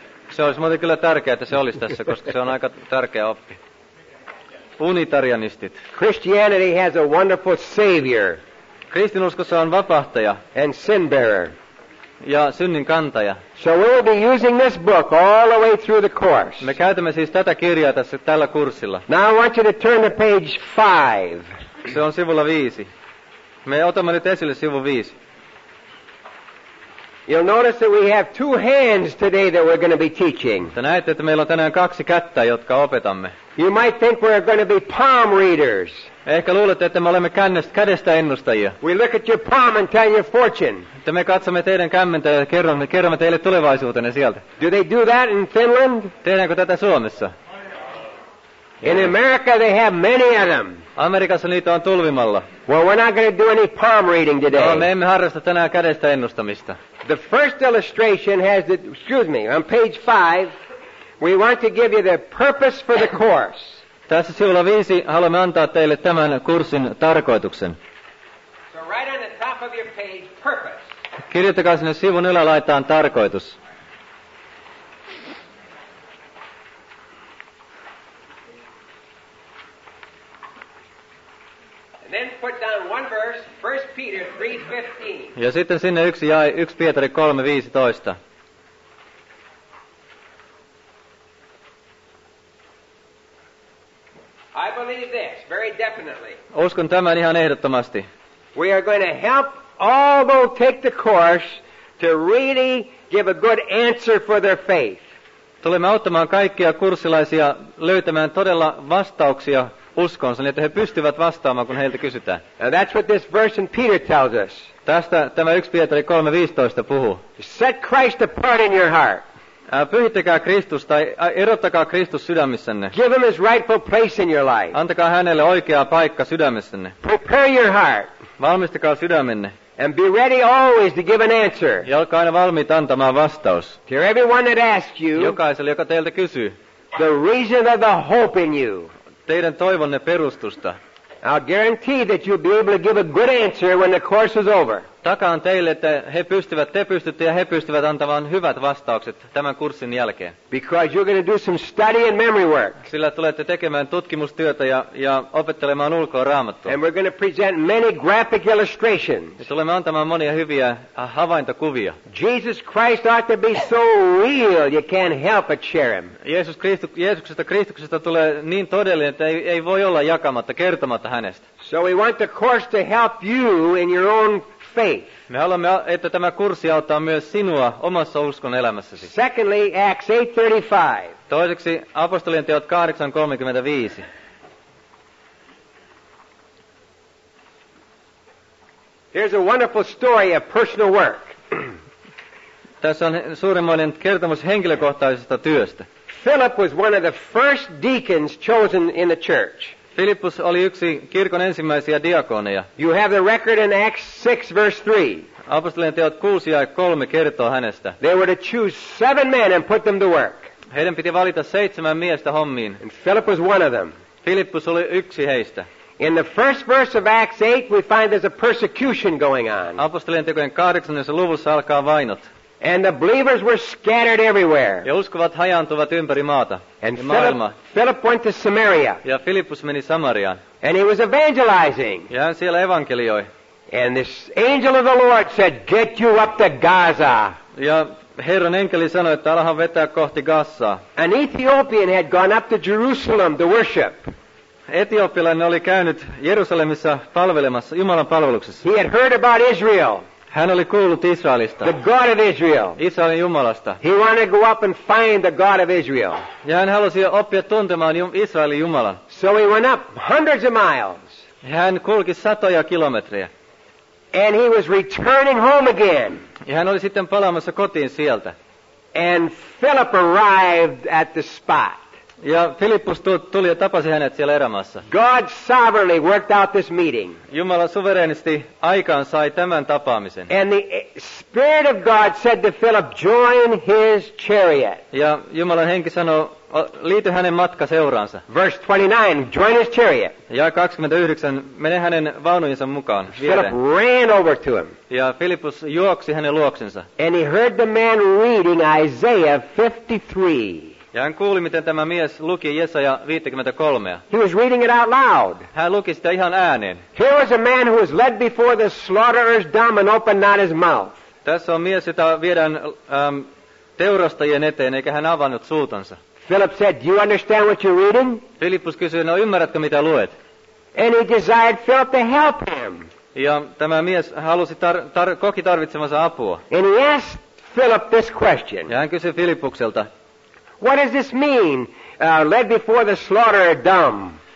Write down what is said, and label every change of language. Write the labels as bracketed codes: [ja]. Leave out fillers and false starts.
[fi] Se olisi muuten kyllä tärkeää, että se olisi tässä, koska se on aika tärkeä oppi. Unitarianistit. [en] Christianity has a wonderful savior. [fi] Kristinuskossa on vapahtaja. [en] And sin bearer. [fi] Ja synnin kantaja. [en] So we'll be using this book all the way through the course. [fi] Me käytämme siis tätä kirjaa tässä tällä kurssilla. [en] Now I want you to turn to page 5. [fi] Se on sivulla 5. Me otamme nyt esille sivu 5. [en] You'll notice that we have two hands today that we're going to be teaching. [fi] Te näette, että meillä on tänään kaksi kättä, jotka opetamme. [en] You might think we're going to be palm readers. [fi] Ehkä luulette, että me olemme kädestä ennustajia. [en] We look at your palm and tell your fortune. [fi] Että me katsomme teidän kämmentä ja kerromme teille tulevaisuutenne sieltä. [en] Do they do that in Finland? [fi] Tehdäänkö tätä Suomessa? [en] In America they have many of them. [fi] Amerikassa niitä on tulvimalla. [en] Well, we're not going to do any palm reading today. [fi] No, me emme harrasta tänään kädestä ennustamista. [en] The first illustration has the, excuse me, on page 5, we want to give you the purpose for the course. [fi] Tässä sivulla 5 haluamme antaa teille tämän kurssin tarkoituksen. [en] So right on the top of your page, purpose. [fi] Kirjoittakaa sinne sivun ylälaitaan tarkoitus. [en] And then put down one verse, 1 Peter 3:15. [fi] Ja sitten sinne yksi jae, 1 Pietari 3:15. [en] I believe this very definitely. [fi] Uskon tämän ihan ehdottomasti. [en] We are going to help all who take the course to really give a good answer for their faith. [fi] Tulemme auttamaan kaikkia kurssilaisia löytämään todella vastauksia uskonsa, niin että he pystyvät vastaamaan, kun heiltä kysytään. [en] And that's what this verse in Peter tells us. [fi] Tästä tämä 1 Pietari 3:15 puhuu. [en] Set Christ apart in your heart. [fi] Pyhittäkää Kristus tai erottakaa Kristus sydämissänne. [en] Give him his rightful place in your life. [fi] Antakaa hänelle oikea paikka sydämessänne. [en] Prepare your heart. [fi] Valmistakaa sydämenne. [en] And be ready always to give an answer. [fi] Ja olkaa aina valmiit antamaan vastaus. [en] To everyone that asks you. [fi] Jokaiselle, joka teiltä kysyy. [en] The reason of the hope in you. [fi] Teidän toivonne perustusta. [en] I guarantee that you'll be able to give a good answer when the course is over. [fi] Takaan teille, että he pystyvät, te pystytte ja he pystyvät antamaan hyvät vastaukset tämän kurssin jälkeen. [en] Because you're going to do some study and memory work. [fi] Sillä tulette tekemään tutkimustyötä ja opettelemaan ulkoa Raamattua. [en] And we're going to present many graphic illustrations. [fi] Ja tulemme antamaan monia hyviä havaintokuvia. [en] Jesus Christ ought to be so real you can't help but share him. [fi] Jeesuksesta Kristuksesta tulee niin todellinen, että ei voi olla jakamatta, kertomatta hänestä. [en] So we want the course to help you in your own faith. [fi] Me haluamme, että tämä kurssi auttaa myös sinua omassa uskon elämässäsi. [en] Secondly, Acts 8:35. [fi] Toiseksi apostolien teot 8:35. [en] Here's a wonderful story of personal work. [fi] Tässä on suurimmoinen kertomus henkilökohtaisesta työstä. [en] Philip was one of the first deacons chosen in the church. [fi] Filippus oli yksi kirkon ensimmäisiä diakoneja. [en] You have the record in Acts 6:3. [fi] Apostolien teot 6:3 kertoo hänestä. [en] They were to choose 7 men and put them to work. [fi] Heidän piti valita 7 miestä hommiin. [en] And Philip was one of them. [fi] Filippus oli yksi heistä. [en] In the first verse of Acts 8 we find there's a persecution going on. [fi] Apostolien tekojen 8. luvussa alkaa vainot. [en] And the believers were scattered everywhere. [fi] Ja uskovat hajaantuvat ympäri maata. [en] And Philip went to Samaria. [fi] Ja Filippus meni Samariaan. [en] And he was evangelizing. [fi] Ja hän siellä evankelioi. [en] And this angel of the Lord said, "Get you up to Gaza." [fi] Ja Herran enkeli sanoi, että alahan vetää kohti Gassaa. [en] An Ethiopian had gone up to Jerusalem to worship. [fi] Etiopialainen oli käynyt Jerusalemissa palvelemassa Jumalan palveluksessa. [en] He had heard about Israel. [fi] Hän oli kuullut Israelista. [en] The God of Israel. [fi] Israelin Jumalasta. [en] He wanted to go up and find the God of Israel. [fi] Ja hän halusi oppia tuntemaan Israelin Jumalan. [en] So he went up hundreds of miles. [fi] Hän kulki satoja kilometrejä. [en] And he was returning home again. [fi] Ja hän oli sitten palaamassa kotiin sieltä. [en] And Philip arrived at the spot. [fi] Ja Filippus tuli ja tapasi hänet siellä erämaassa. [en] God sovereignly worked out this meeting. [fi] Jumala suvereenisti aikaan sai tämän tapaamisen. [en] And the Spirit of God said to Philip, join his chariot. [fi] Ja Jumalan henki sanoi, liity hänen matka seuraansa. [en] Verse 29, join his chariot. [fi] Ja 29, mene hänen vaunujensa mukaan. [en] Philip ran over to him. [fi] Ja Filippus juoksi hänen luoksensa. [en] And he heard the man reading Isaiah 53. [fi] Ja hän kuuli, miten tämä mies luki Jesaja 53. [en] He was reading it out loud. [fi] Hän luki sitä ihan ääneen. [en] Here was a man who was led before the slaughterer's dumb and opened not his mouth. [fi] Tässä on mies, jota viedään teurastajien eteen, eikä hän avannut suutansa. [en] Philip said, do you understand what you're reading? [fi] Filippus kysyi, no ymmärrätkö mitä luet? [en] And he desired Philip to help him. [fi] Ja tämä mies halusi koki tarvitsemansa apua. [en] And he asked Philip this question. [fi] Ja hän kysyi Filippukselta. [en] What does this mean? Led before the slaughter dumb.